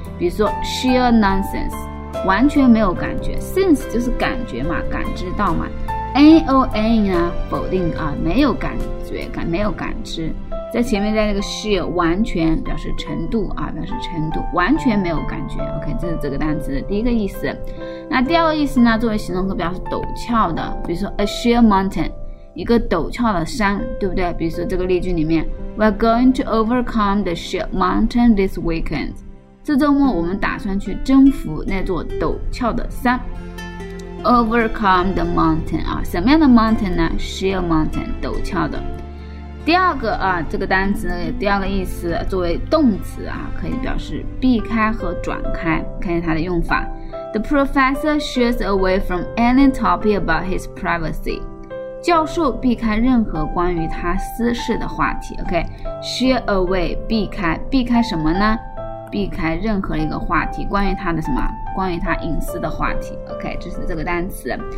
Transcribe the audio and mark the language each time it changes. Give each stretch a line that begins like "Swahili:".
Chinese: 比如说
English: sheer nonsense，
Chinese: 完全没有感觉 ；sense 就是感觉嘛，感知到嘛 ；non 呢，否定啊，没有感觉，没有感知。在前面在那个 sheer 完全表示程度啊，表示程度，完全没有感觉。 OK， 这是这个单词的第一个意思。那第二个意思呢，作为形容词表示陡峭的，比如说
English: a sheer mountain。
Chinese: 一个陡峭的山，对不对？
English: 比如说这个例句里面 ，We're going to overcome the sheer mountain this weekend。
Chinese: 这周末我们打算去征服那座陡峭的山。
English: Overcome the mountain
Chinese: 啊，什么样的 mountain 呢 ？
English: Sheer mountain，
Chinese: 陡峭的。第二个啊，这个单词第二个意思作为动词啊，可以表示避开和转开。
English: 看一下它的用法 ，The professor shies away from any topic about his privacy。
Chinese: 教授避开任何关于他私事的话题 ，OK，
English: shear away，
Chinese: 避开，避开什么呢？避开任何一个话题，关于他的什么？关于他隐私的话题 ，OK， 这是这个单词。